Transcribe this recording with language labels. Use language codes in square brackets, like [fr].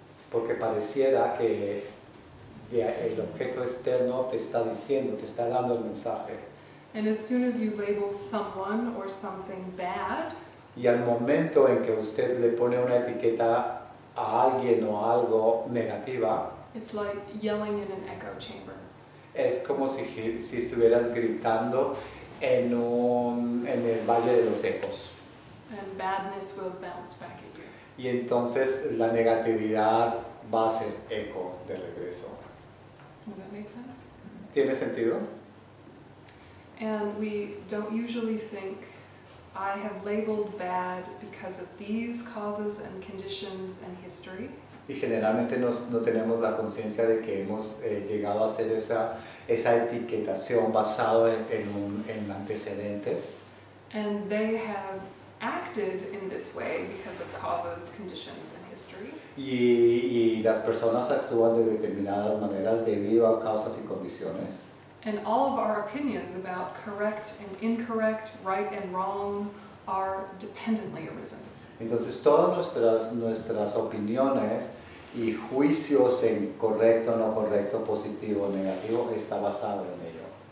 [es] Porque pareciera que el objeto externo te está diciendo, te está dando el mensaje. [en] And as soon as you label someone or something bad. [es] Y al momento en que usted le pone una etiqueta a alguien o algo negativa, [en] it's like yelling in an echo chamber. [es] Es como si estuvieras gritando en el valle de los ecos. [en] And badness will bounce back at you. [es] Y entonces la negatividad va a ser eco de regreso. [en] Does that make sense? [es] ¿Tiene sentido? [en] And we don't usually think I have labeled bad because of these causes and conditions and history. [es] Y generalmente no tenemos la conciencia de que hemos llegado a hacer esa etiquetación basado en antecedentes. [en] And they have acted in this way because of causes, conditions and history. [es] Y las personas actúan de determinadas maneras debido a causas y condiciones. [en] And all of our opinions about correct and incorrect, right and wrong, are dependently arisen. [es] Entonces todas nuestras opiniones y juicios en correcto, no correcto, positivo, negativo, está basado en ello.